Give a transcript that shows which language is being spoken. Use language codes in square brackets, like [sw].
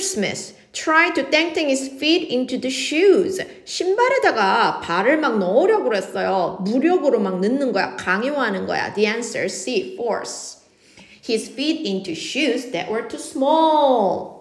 [en] Smith tried to dangling his feet into the shoes. [ko] 신발에다가 발을 막 넣으려고 그랬어요. 무력으로 막 넣는 거야. 강요하는 거야. [en] The answer C, force. His feet into shoes that were too small.